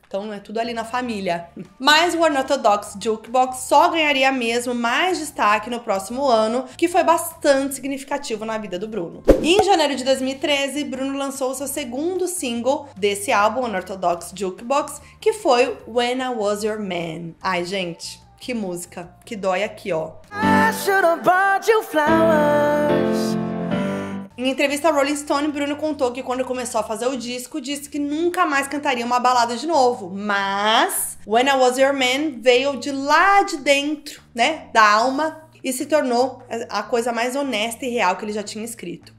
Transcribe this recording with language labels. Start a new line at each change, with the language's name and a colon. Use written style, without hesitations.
Portuguese: Então, é tudo ali na família. Mas o Unorthodox Jukebox só ganharia mesmo mais destaque no próximo ano, que foi bastante significativo na vida do Bruno. E em janeiro de 2013, Bruno lançou seu segundo single desse álbum, Unorthodox Jukebox, que foi When I Was Your Man. Ai, gente, que música, que dói aqui, ó.
English: I should've bought you flowers.
Portuguese: Em entrevista à Rolling Stone, Bruno contou que quando começou a fazer o disco, disse que nunca mais cantaria uma balada de novo. Mas When I Was Your Man veio de lá de dentro, né, da alma, e se tornou a coisa mais honesta e real que ele já tinha escrito.